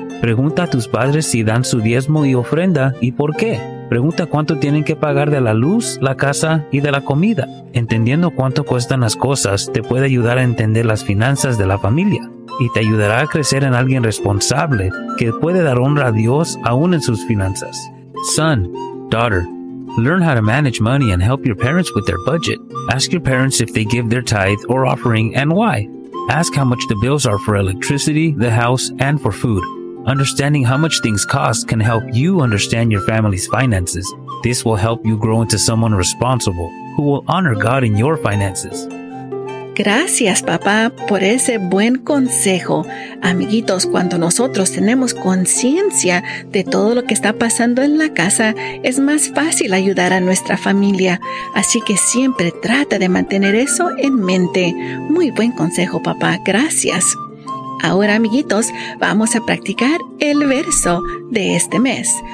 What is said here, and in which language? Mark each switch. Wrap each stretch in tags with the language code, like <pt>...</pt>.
<es>Pregunta a tus padres si dan su diezmo y ofrenda y por qué. Pregunta cuánto tienen que pagar de la luz, la casa y de la comida. Entendiendo cuánto cuestan las cosas, te puede ayudar a entender las finanzas de la familia. Y te ayudará a crecer en alguien responsable que puede dar honra a Dios aún en sus finanzas.</es> <en>Son, daughter, learn how to manage money and help your parents with their budget. Ask your parents if they give their tithe or offering and why. Ask how much the bills are for electricity, the house, and for food. Understanding how much things cost can help you understand your family's finances. This will help you grow into someone responsible who will honor God in your finances.</en> <es>Gracias, papá, por ese buen consejo. Amiguitos, cuando nosotros tenemos conciencia de todo lo que está pasando en la casa, es más fácil ayudar a nuestra familia. Así que siempre trata de mantener eso en mente. Muy buen consejo, papá. Gracias. Ahora, amiguitos, vamos a practicar el verso de este mes.</es>